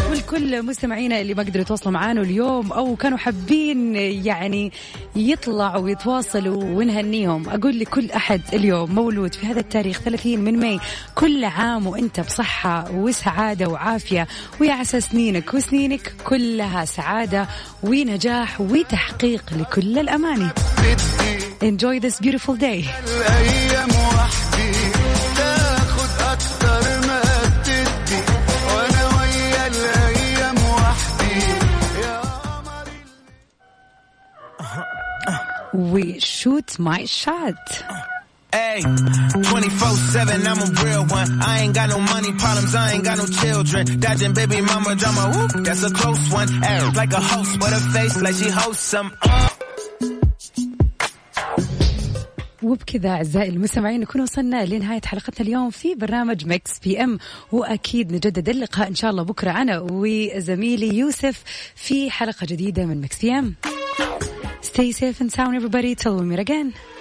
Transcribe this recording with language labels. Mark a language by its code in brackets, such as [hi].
[ar] كل مستمعينا اللي ما قدروا يتواصلوا معانا اليوم أو كانوا حابين يعني يطلعوا ويتواصلوا ونهنيهم، أقول لكل أحد اليوم مولود في هذا التاريخ 30 من مي كل عام وإنت بصحة وسعادة وعافية، ويعسى سنينك وسنينك كلها سعادة ونجاح وتحقيق لكل الأماني. [en] Enjoy this beautiful day. We shoot my shot. Hey, 24/7, I'm a real one. I ain't got no money problems, I ain't got no children. Dodging baby mama drama, whoop, that's a close one. Hey, like a host, but a face like she hosts some. [ar] وبكذا أعزائي المستمعين نكون وصلنا لنهاية حلقتنا اليوم في برنامج ميكس بي أم، وأكيد نجدد اللقاء إن شاء الله بكرة أنا وزميلي يوسف في حلقة جديدة من ميكس بي أم. [en] Stay safe and sound everybody till we meet again.